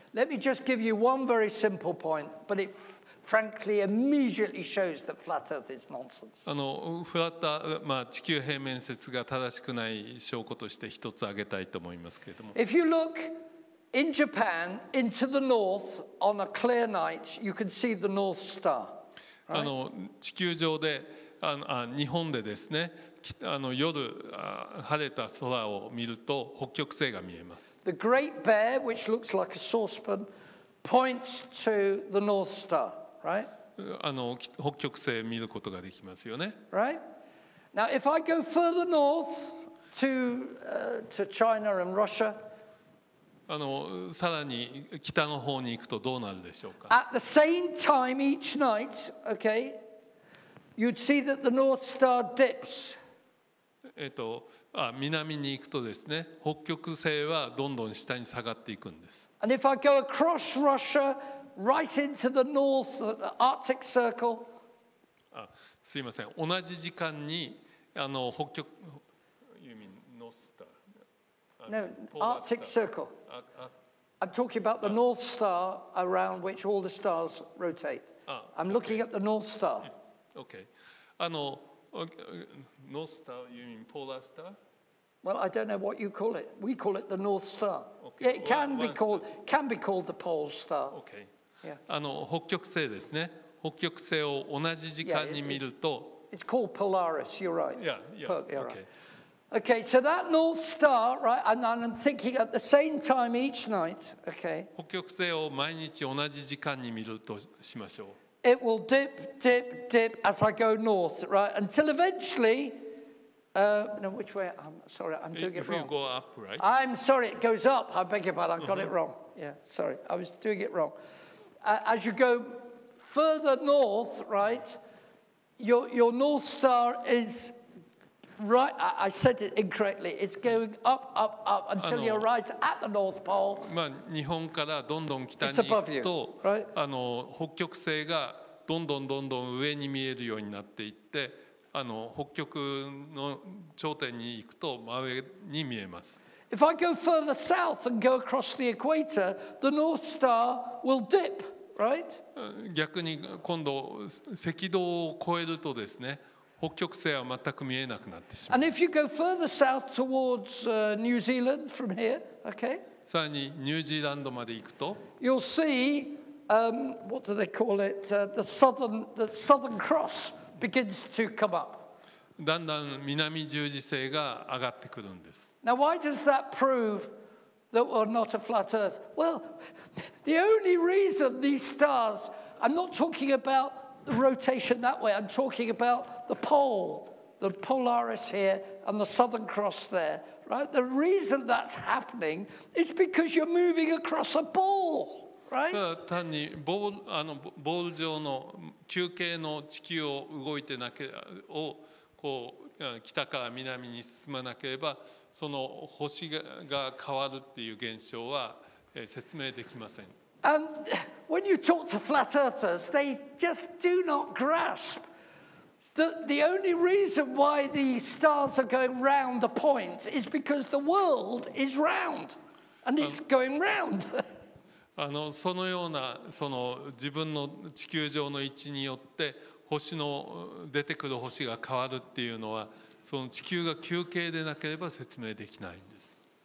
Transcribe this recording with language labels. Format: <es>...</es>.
<en>Let me just give you one very simple point, but it frankly immediately shows that flat earth is nonsense.</en> <ja>あのフラット、まあ、地球平面説が正しくない証拠として一つ挙げたいと思いますけれども。</ja> <en>If you look in Japan into the north on a clear night, you can see the North Star.</en> <ja>あの地球上で、あの、あ、日本でですね、あの夜、あ、晴れた空を見ると北極星が見えます。</ja> <en>The Great Bear, which looks like a saucepan, points to the North Star, right?</en> <ja>あの北極星見ることができますよね。</ja> <en>Right? Now, if I go further north to, to China and Russia,</en> <ja>あのさらに北の方に行くとどうなるでしょうか。</ja> <en>At the same time each night, okay, you'd see that the North Star dips.</en> <ja>あ、南に行くとですね、北極星はどんどん下に下がっていくんです。</ja> <en>And if I go across Russia, right into the North Arctic Circle.</en> <ja>あ、すいません。同じ時間にあの北極、</ja> <en>you mean North Star? No, Arctic Circle. I'm talking about the North Star around which all the stars rotate. I'm looking at the North Star. Okay. あの、North Star, you mean Polar Star? Well, I don't know what you call it. We call it the North Star. Okay. Yeah, it can be called, can be called the Pole Star. Okay. Yeah.</en> <ja>あの、北極星ですね。北極星を同じ時間に見ると。</ja> <en>It's called Polaris, you're right. Yeah, okay. Okay, so that North Star, right? And I'm thinking at the same time each night. Okay.</en> <ja>北極星を毎日同じ時間に見るとしましょう。</ja> <en>It will dip, dip, dip as I go north, right? Until eventually, no, which way? I'm sorry, I'm doing it wrong. If you go up, right? I'm sorry, it goes up. I beg your pardon, I got it wrong. Yeah, sorry, I was doing it wrong. As you go further north, right? Your North Star is. Right, I said it incorrectly. It's going up, up, up until you're right at the North Pole.</en> <ja>まあ、日本からどんどん北に行くと、あの北極星がどんどんどんどん上に見えるようになっていって、あの北極の頂点に行くと真上に見えます。</ja> <en>If I go further south and go across the equator, the North Star will dip, right?</en> <ja>逆に今度赤道を越えるとですね。北極星は全く見えなくなってしまう。</ja> <en>And if you go further south towards New Zealand from here, okay?</en> <ja>さらにニュージーランドまで行くと、</ja> <en>you'll see, what do they call it? The southern cross begins to come up.</en> <ja>だんだん南十字星が上がってくるんです。</ja> <en>Now, why does that prove that we're not a flat Earth? Well, the only reason these stars, I'm not talking about. The rotation that way. I'm talking about the pole, the Polaris here and the Southern Cross there, right? The reason that's happening is because you're moving across a ball, right?</en> <ja>ただ単にボール、あのボール状の球形の地球を動いてなけをこう北から南に進まなければ、その星が変わるっていう現象は説明できません。</ja> <en>And when you talk to flat earthers, they just do not grasp that the only reason why the stars are going round the point is because the world is round and it's going round.</en> <ja>あの、そのような、その自分の地球上の位置によって星の出てくる星が変わるっていうのは、その地球が球形でなければ説明できないんです。</ja>